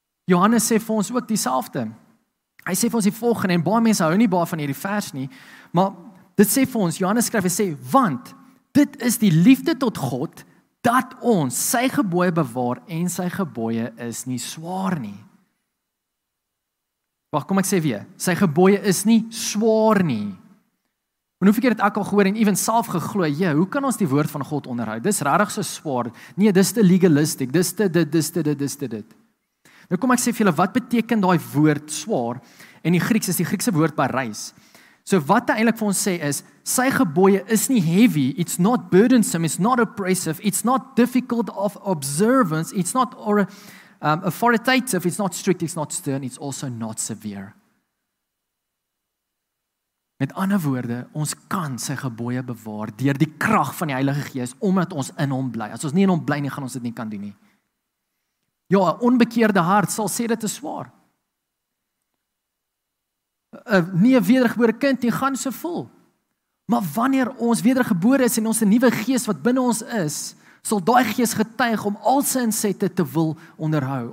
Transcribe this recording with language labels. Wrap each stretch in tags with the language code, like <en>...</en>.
<af>Johannes sê vir ons ook dieselfde. Hy sê vir ons die volgende, en baie mense hou nie baie van hierdie vers nie, maar dit sê vir ons, Johannes skryf, hy sê, want dit is die liefde tot God, dat ons sy gebooie bewaar en sy gebooie is nie swaar nie. Wag, kom ek sê weer, sy gebooie is nie swaar nie. En hoeveel keer het ek al gehoor en even self geglo, ja, hoe kan ons die woord van God onderhou? Dis rarig so swaar. Nee, dis te legalistiek, dis te dit. Nou kom ek sê vir julle, wat beteken daai woord swaar? En die Grieks is die Griekse woord bereis. So wat hy eintlik vir ons sê is, sy gebooie is nie heavy,</af> <en>it's not burdensome, it's not oppressive, it's not difficult of observance, it's not authoritative, it's not strict, it's not stern, it's also not severe.</en> <af>Met ander woorde, ons kan sy gebooie bewaar deur die krag van die Heilige Gees, omdat ons in hom bly. As ons nie in hom bly nie, gaan ons dit nie kan doen nie. Ja, 'n onbekeerde hart sal sê dit is swaar. Nie 'n wedergebore kind nie gaan so vol. Maar wanneer ons wedergebore is en ons 'n nuwe gees wat binne ons is, sal daai gees getuig om al sy insette te wil onderhou.</af>